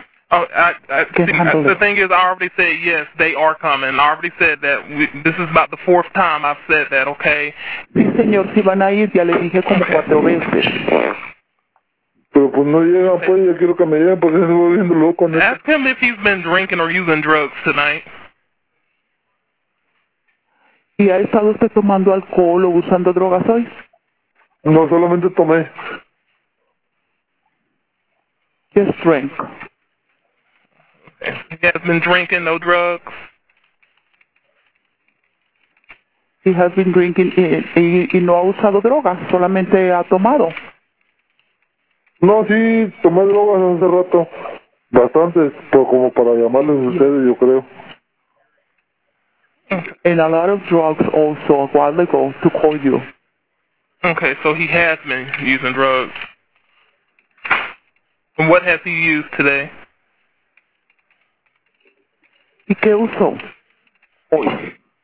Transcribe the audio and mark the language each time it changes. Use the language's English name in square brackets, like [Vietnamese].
[English] The thing is, I already said yes, they are coming. I already said that. This is about the fourth time I've said that, okay? [Spanish] Sí, señor, si van a ir, ya le dije como cuatro veces. Pero pues no llega, pues, yo quiero que me lleguen porque se va viendo loco. [English] Ask him if he's been drinking or using drugs tonight. [Spanish] ¿Y ha estado usted tomando alcohol o usando drogas hoy? No, solamente tomé. [English] Just drink. He has been drinking, no drugs. He has been drinking [Spanish] y no ha usado drogas, solamente ha tomado. No, sí, tomé drogas hace rato. Bastantes, pero como para llamarles a ustedes, yo creo. [English] And a lot of drugs also a while ago to call you. Okay, so he has been using drugs. And what has he used today? [Spanish] ¿Y qué uso? Hoy.